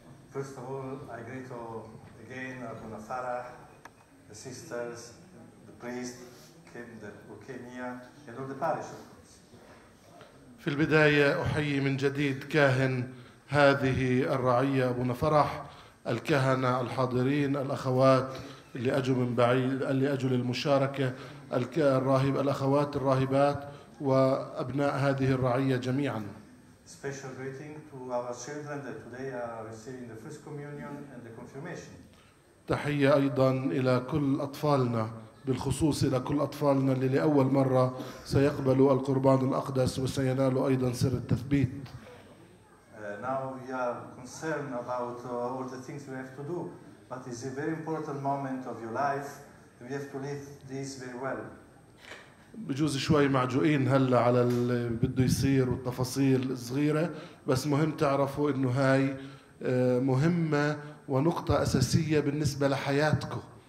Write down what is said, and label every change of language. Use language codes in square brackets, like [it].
[en] First of all, I greet all again, Abuna Farah, the sisters, the priest who came here, and all the parish, of course. [ar] في البداية أحيي من جديد كاهن هذه الرعية أبونا فرح، الكهنة الحاضرين، الأخوات اللي أجوا من بعيد لأجل المشاركة، الأخوات الراهبات وأبناء هذه الرعية جميعاً. [en] Special greeting to our children that today are receiving the first communion and the confirmation. [ar] تحية أيضا إلى كل أطفالنا، بالخصوص إلى كل أطفالنا اللي لأول مرة سيقبلوا القربان الأقدس وسينالوا أيضا سر التثبيت. [en] Now we are concerned about all the things we have to do, but it's a very important moment of your life. We have to live this very well. [ar] بجوز شوي معجوقين هلا على اللي بده يصير والتفاصيل الصغيرة، بس مهم تعرفوا إنه هاي مهمة ونقطة أساسية بالنسبة لحياتكم.